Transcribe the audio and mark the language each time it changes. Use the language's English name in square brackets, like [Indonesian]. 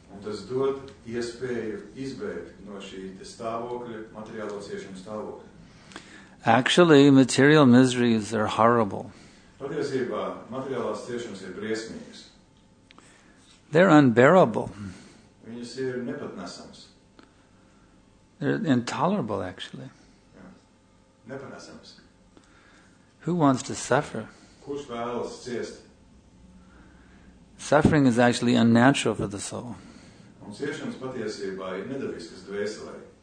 [Latvian] Un tas dod iespēju izbēgt no šī te stāvokļa, materiālo ciešanu stāvokļa. [English] Actually, material miseries are horrible. [Latvian] Patiesībā, materiālās ciešanas ir briesmīgas. [English] They're unbearable. [Latvian] Viņas ir nepatnesamas. [English] They're intolerable, actually. [Latvian] Jā. Nepatnesamas. [English] Who wants to suffer? [Latvian] Kurš vēlas ciest? [English] Suffering is actually unnatural for the soul. [Latvian] Un ciešanas patiesībā ir nedabiskas dvēselē.